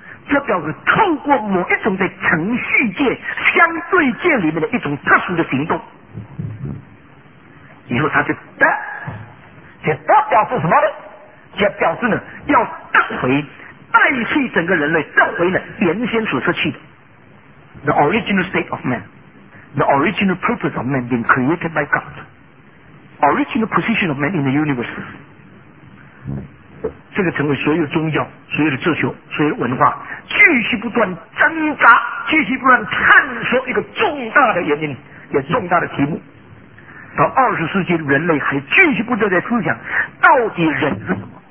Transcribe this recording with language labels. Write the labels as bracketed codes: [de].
[zh] 这表示透过某一种在程序界相对界里面的一种特殊的行动，以后他就得，这得表示什么呢？这表示呢，要得回，代替整个人类得回了原先所失去的。 [en] The original state of man, the original purpose of man being created by God, original position of man in the universe. [zh] 这个成为所有宗教、所有的哲学、所有文化继续不断挣扎、继续不断探索一个重大的原因，也重大的题目。到20世纪，人类还继续不断在思想，到底人是什么？